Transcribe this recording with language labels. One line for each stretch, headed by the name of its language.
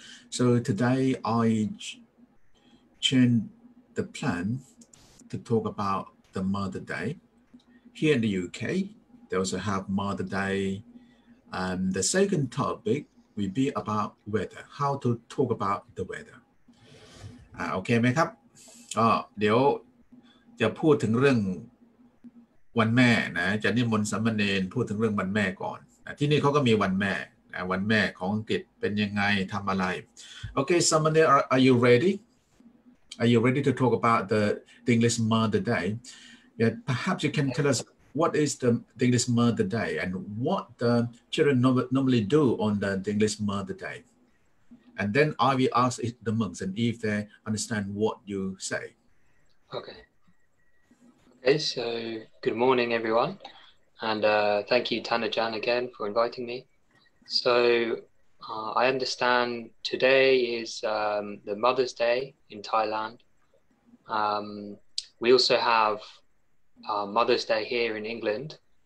English: So today I changed the plan to talk about the Mother Day. Here in the UK, they also have Mother Day. And the second topic will be about weather, how to talk about the weather.
Thai: Okay, ไหมครับ เดี๋ยวจะพูดถึงเรื่องวันแม่นะจะนิมนต์สามเณรพูดถึงเรื่องวันแม่ก่อนที่นี่เขาก็มีวันแม่วันแม่ของอังกฤษเป็นยังไงทำอะไรโอเค
English: Samane are you ready are you ready to talk about the English Mother Day yeah perhaps you can tell us what is the English Mother Day and what the children normally do on the English Mother Day and then I will ask the monks and if they understand what you say okay so good morning everyone and thank you Tanajan again for inviting meSo I understand today is the Mother's Day in Thailand. We also have Mother's Day here in England.